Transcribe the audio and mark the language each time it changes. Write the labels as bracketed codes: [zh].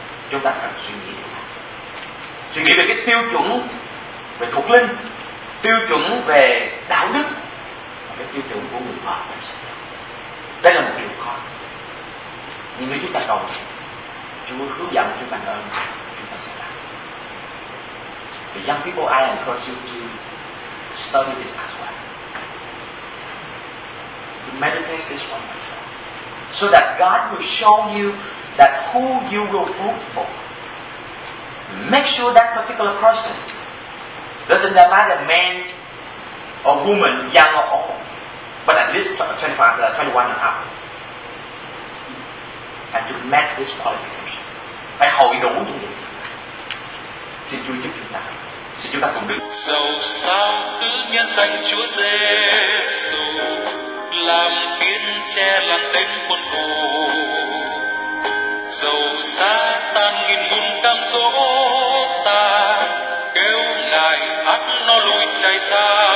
[vi] Chúng ta cần suy nghĩ điều này, suy nghĩ về cái tiêu chuẩn về thuộc linh, tiêu chuẩn về đạo đức và cái tiêu chuẩn của người vợ chấp sự. Đây là một điều khó, nhưng nếu chúng ta cầu nguyện, Chúa hướng dẫn chúng ta ơn, chúng ta sẽ làm. [en] The young people, I encourage you to study this as well. Meditate this one, so that God will show you that who you will vote for. Make sure that particular person, doesn't matter man or woman, young or old, but at least 25, 21 and a half, and to match this qualification. [vi] Phải hội đủ những điều kiện. Xin Chúa giúp chúng ta. Xin chúng ta cùng đứng. Dẫu sao tự nhiên dành Chúa Giê-xu làm khiến che làn tên quân cù, dầu xa tan nghìn ngùn cam số ta kêu ngài hát nó lùi chạy xa.